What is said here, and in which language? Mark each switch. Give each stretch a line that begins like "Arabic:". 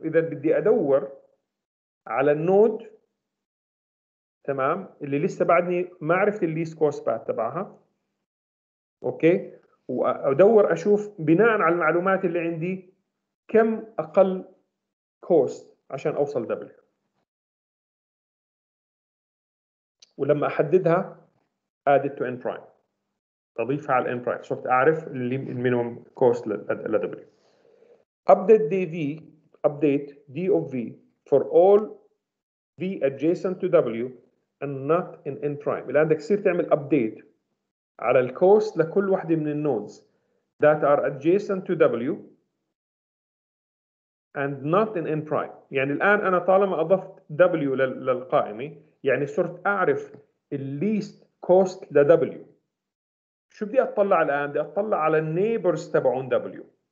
Arabic: إذا بدي أدور على النود، تمام، اللي لسه بعدني ما عرفت الـ least cost path تبعها، أوكي، وأدور أشوف بناء على المعلومات اللي عندي كم أقل كوست عشان أوصل W. ولما أحددها
English: add it to N prime،
Arabic: تضيفها على N prime، صرت أعرف المينيموم كوست ل W.
English: Update DV، update D of V for all V adjacent to W and not in N prime.
Arabic: الآن بدك تصير تعمل update على الكوست لكل واحدة من النودز
English: that are adjacent to W and not in N prime.
Arabic: يعني الآن أنا طالما أضفت W للقائمة، يعني صرت أعرف الليست كوست ل W. شو بدي أطلع الآن؟ بدي أطلع على النيبرز تبعون W.